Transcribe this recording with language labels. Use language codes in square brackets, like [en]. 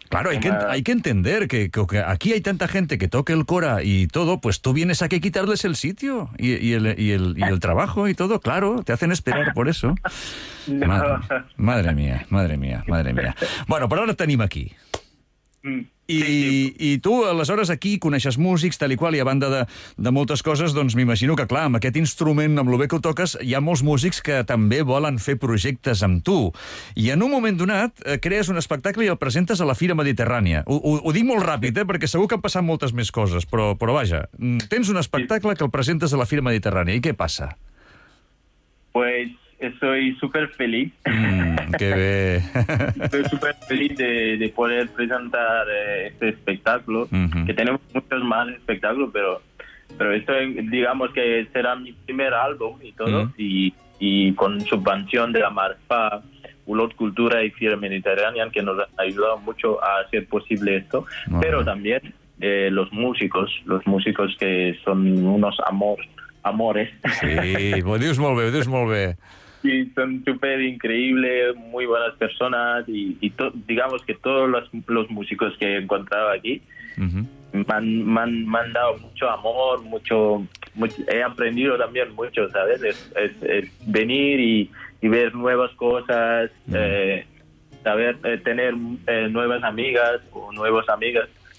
[es] Claro, hay que entender que aquí hay tanta gente que toque el cora y todo, pues tú vienes aquí a quitarles el sitio y el trabajo y todo, claro, te hacen esperar por eso. No. Madre mía. Bueno, pero ahora tenim aquí. [ca] I tu, aleshores, aquí coneixes músics, tal i qual, i a banda de moltes coses, doncs m'imagino que, clar, amb aquest instrument, amb el bé que ho toques, hi ha molts músics que també volen fer projectes amb tu. I en un moment donat crees un espectacle i el presentes a la Fira Mediterrània. Ho dic molt ràpid, perquè segur que han passat moltes més coses, però vaja, tens un espectacle que el presentes a la Fira Mediterrània. I què passa? [es] Pues... Estoy súper feliz. Qué bien. Estoy súper feliz de poder presentar este espectáculo. Uh-huh. Que tenemos muchos más espectáculos, pero esto, digamos que será mi primer álbum y todo. Uh-huh. Y con subvención de la Marfa, Ulot Cultura y Fiera Mediterránea, que nos han ayudado mucho a hacer posible esto. Uh-huh. Pero también los músicos que son unos amores. [ca] Sí, ho dius molt bé, ho dius molt bé. [es] Sí, son súper increíbles, muy buenas personas y digamos que todos los músicos que he encontrado aquí, uh-huh, me han dado mucho amor, mucho, he aprendido también mucho, ¿sabes? Es venir y ver nuevas cosas, uh-huh, tener nuevas amigas o nuevas amigas.